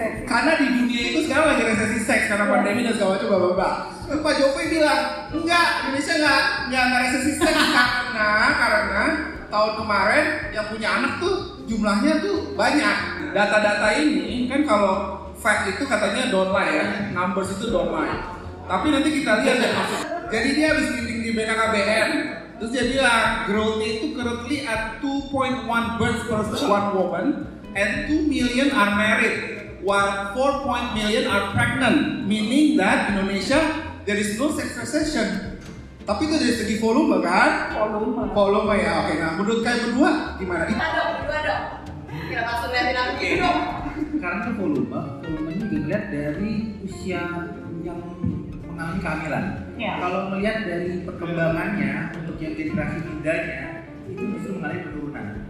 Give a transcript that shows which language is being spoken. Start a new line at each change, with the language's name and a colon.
Indonesian: Karena di dunia itu sekarang lagi resesi seks karena pandemi dan segala macam bapak. Pak Jokowi bilang, enggak, Indonesia enggak resesi seks karena tahun kemarin yang punya anak tuh jumlahnya tuh banyak. Data-data ini kan kalau fact itu katanya
English: don't lie
Indonesian: ya, numbers itu don't lie. Tapi nanti kita lihat deh. Jadi dia habis meeting di BKKBN, terus dia bilang
English: growth-nya itu currently at 2.1 births per one woman, and 2 million are married, while 4 million are pregnant, meaning that Indonesia there is no sex recession.
Indonesian: Tapi itu dari segi volume kan? Volume ya. Oke, nah menurut kalian berdua gimana? Kita dong, berdua dong. Kita langsung lihat-lihat lagi dong. Karena itu volume, volumenya dilihat dari usia yang mengalami kehamilan. Ya. Kalau melihat dari perkembangannya untuk yang generasi mudanya, itu justru mengalami penurunan.